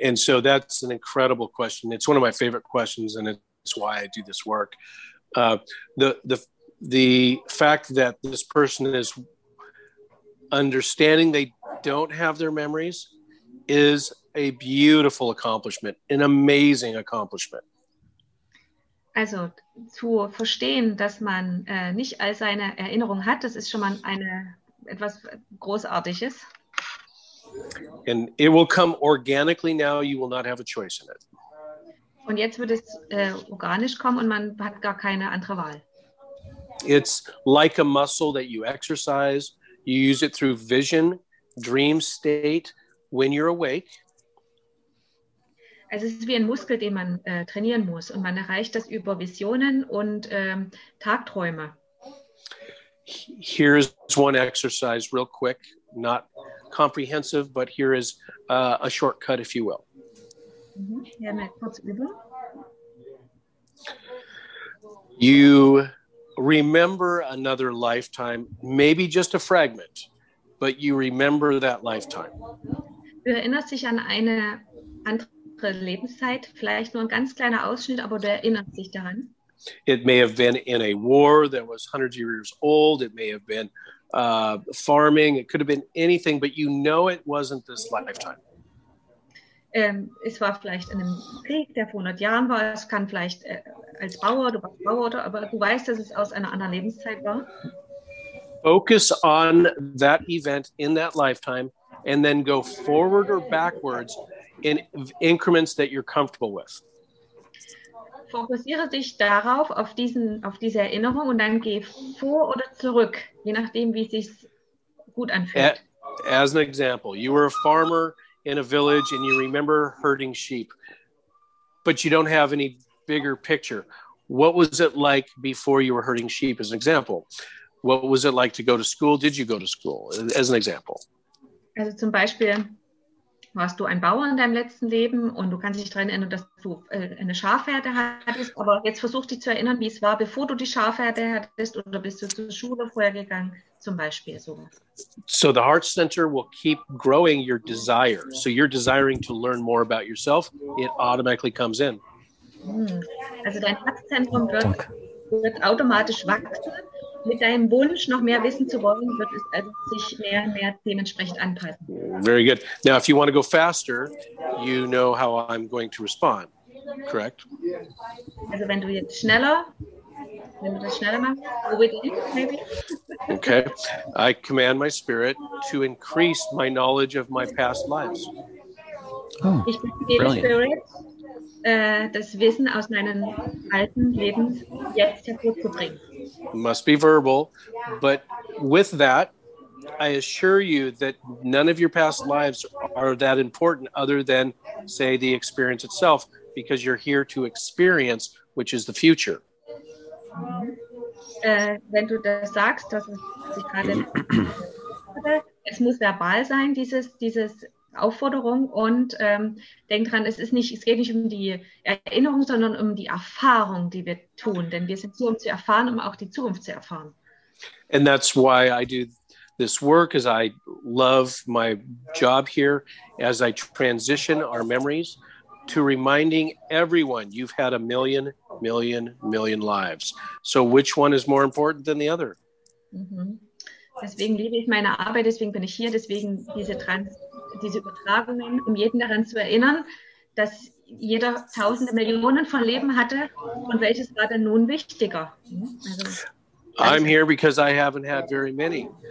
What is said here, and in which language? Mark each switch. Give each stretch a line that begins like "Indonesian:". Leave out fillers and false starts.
English: And so that's an incredible question. It's one of my favorite questions, and it's why I do this work. The fact that this person is understanding they don't have their memories is a beautiful accomplishment, an amazing accomplishment.
German: Also zu verstehen, dass man nicht all seine Erinnerungen hat, das ist schon mal etwas Großartiges.
English: And it will come organically now, you will not have a choice in it.
German: Und jetzt wird es organisch kommen und man hat gar keine andere Wahl.
English: It's like a muscle that you exercise, you use it through vision, dream state, when you're awake.
German: Also es ist wie ein Muskel, den man trainieren muss. Und man erreicht das über Visionen und Tagträume.
English: Here is one exercise real quick. Not comprehensive, but here is a shortcut, if you will.
German: Ja, mal kurz üben.
English: You remember another lifetime, maybe just a fragment, but you remember that lifetime.
German: Du erinnerst dich an eine andere Lebenszeit, vielleicht nur ein ganz kleiner Ausschnitt, aber du erinnerst dich daran.
English: It may have been in a war that was hundreds of years old. It may have been farming. It could have been anything, but you know it wasn't this lifetime.
German: Es war vielleicht in einem Krieg, der vor 100 Jahren war. Es kann vielleicht als Bauer, du warst Bauer, oder, aber du weißt, dass es aus einer anderen Lebenszeit war.
English: Focus on that event in that lifetime and then go forward or backwards in increments that you're comfortable with.
German: Fokussiere dich darauf, auf diese Erinnerung und dann geh vor oder zurück, je nachdem, wie es sich gut anfühlt.
English: As an example, you were a farmer in a village and you remember herding sheep, but you don't have any bigger picture. What was it like before you were herding sheep, as an example? What was it like to go to school? Did you go to school, as an example?
German: Also zum Beispiel, warst du ein Bauer in deinem letzten Leben und du kannst dich daran erinnern, dass du eine Schafherde hattest, aber jetzt versuch dich zu erinnern, wie es war, bevor du die Schafherde hattest oder bist du zur Schule vorher gegangen, zum Beispiel sowas.
English: So the heart center will keep growing your desire. So you're desiring to learn more about yourself. It automatically comes in.
German: Also dein Herzzentrum wird automatisch wachsen. Mit deinem Wunsch, noch mehr wissen zu wollen, wird es also sich mehr und mehr dementsprechend anpassen.
English: Very good. Now, if you want to go faster, you know how I'm going to respond, correct?
German: Also wenn du jetzt schneller, wenn du das schneller machst,
English: over the end, maybe? Okay. I command my spirit to increase my knowledge of my past lives.
German: Oh, ich gebe Spirit, das Wissen aus meinen alten Leben jetzt hervorzubringen.
English: Must be verbal, but with that, I assure you that none of your past lives are that important other than, say, the experience itself, because you're here to experience, which is the future.
German: Wenn du das sagst, dass es sich gerade es muss verbal sein, dieses Aufforderung, und denk dran, es geht nicht um die Erinnerung, sondern um die Erfahrung, die wir tun, denn wir sind hier, um zu erfahren, um auch die Zukunft zu erfahren.
English: And that's why I do this work, as I love my job here, as I transition our memories to reminding everyone, you've had a million, million, million lives. So which one is more important than the other?
German: Deswegen liebe ich meine Arbeit, deswegen bin ich hier, deswegen diese Übertragungen, um jeden daran zu erinnern, dass jeder tausende Millionen von Leben hatte, und welches war denn nun wichtiger?
English: Also, I'm here because I haven't had very many.